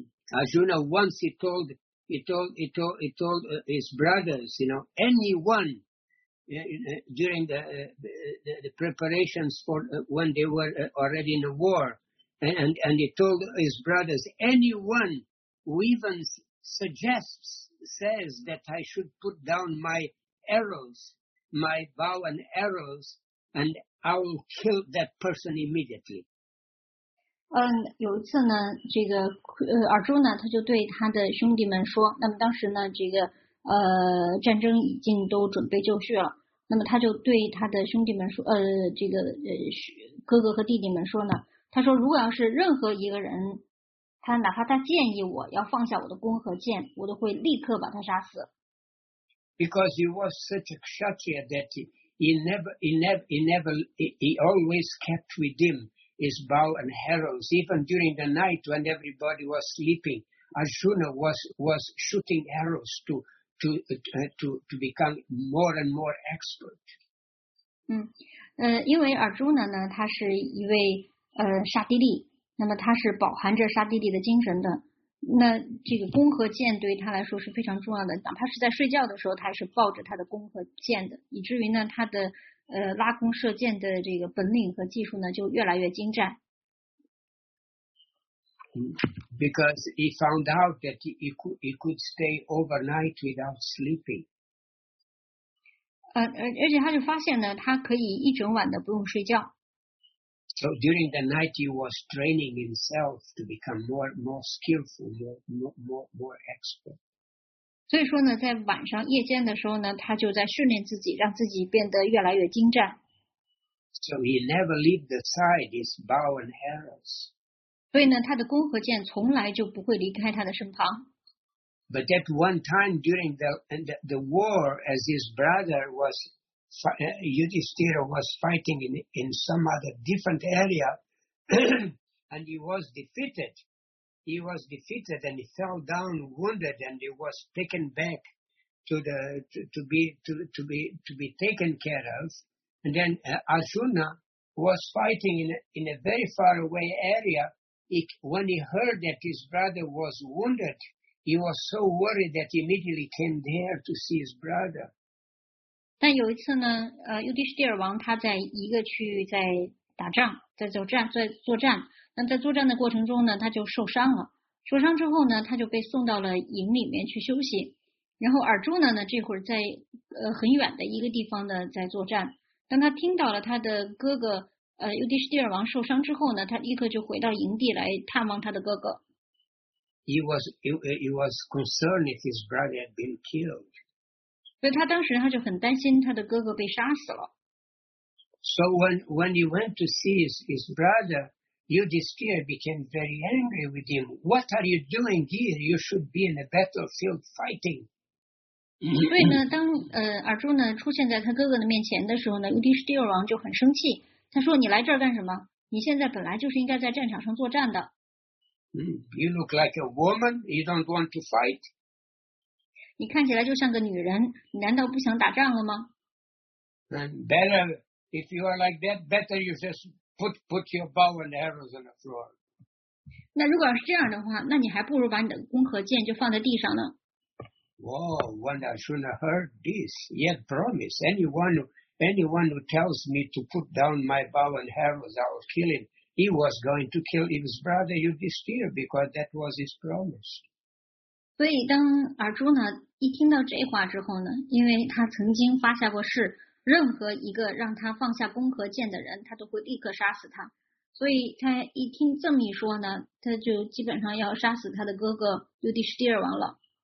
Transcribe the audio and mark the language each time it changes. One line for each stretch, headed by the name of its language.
English: Arjuna once he told his brothers, you know, anyone during the preparations for when they were already in the war. And he told his brothers, anyone who even says that I should put down my arrows, my bow and arrows, and I will kill that person immediately.
Chinese: 有一次呢，这个Arjuna 他就对他的兄弟们说，那么当时呢，这个战争已经都准备就绪了，那么他就对他的兄弟们说，哥哥和弟弟们说呢。他说如果要是任何一个人他哪怕他建议我要放下我的弓和箭我都会立刻把他杀死。
English: Because he was such a kshatriya that he always kept with him his bow and arrows. Even during the night when everybody was sleeping, Arjuna was shooting arrows to become more and more expert.
Chinese: 因为 Arjuna 呢他是一位沙地利，那么他是饱含着沙地利的精神的。那这个弓和箭对于他来说是非常重要的，哪怕是在睡觉的时候，他是抱着他的弓和箭的，以至于呢，他的拉弓射箭的这个本领和技术呢，就越来越精湛。
English: Because he found out that he could stay overnight without sleeping.
Chinese: 而且他就发现呢，他可以一整晚的不用睡觉。
English: So during the night, he was training himself to become more skillful, more expert.
Chinese: 所以说呢，在晚上夜间的时候呢，他就在训练自己，让自己变得越来越精湛。
English: So he never leave the side his bow and arrows.
Chinese: 所以呢，他的弓和箭从来就不会离开他的身旁。
English: But at one time during the war, as his brother was. Yudhisthira was fighting in some other different area and he was defeated. He was defeated and he fell down wounded and he was taken back to be taken care of. And then Arjuna was fighting in a very far away area when he heard that his brother was wounded, he was so worried that he immediately came there to see his brother.
Chinese: 但有一次呢，尤迪士帝尔王他在一个区域在打仗，在走战，在作战。那在作战的过程中呢，他就受伤了。受伤之后呢，他就被送到了营里面去休息。然后尔朱呢，这会儿在很远的一个地方呢在作战。当他听到了他的哥哥尤迪士帝尔王受伤之后呢，他立刻就回到营地来探望他的哥哥。
English: He was concerned if his brother had been killed.
Chinese: 所以他当时他就很担心他的哥哥被杀死了。
English: So when he went to see his brother, Yudhishthira became very angry with him. What are you doing here? You should be in a battlefield fighting.
Chinese: 所以呢，当尔朱呢出现在他哥哥的面前的时候呢，尤迪士帝尔王就很生气。他说：“你来这儿干什么？你现在本来就是应该在战场上作战的。”
English: You look like a woman. You don't want to fight.
Chinese: 你看起来就像个女人，你难道不想打仗了吗？
English: Better if you are like that, better you just put your bow and arrows on the floor.
Chinese: 那如果要是这样的话，那你还不如把你的弓和箭就放在地上呢。
English: Whoa, when I should have heard this, yet promise anyone who tells me to put down my bow and arrows, I will kill him. He was going to kill his brother Yudhishthira because that was his promise.
Chinese: 所以当尔朱呢一听到这话之后呢，因为他曾经发下过誓，任何一个让他放下弓和箭的人，他都会立刻杀死他。所以他一听这么一说呢，他就基本上要杀死他的哥哥尤迪士帝尔王了。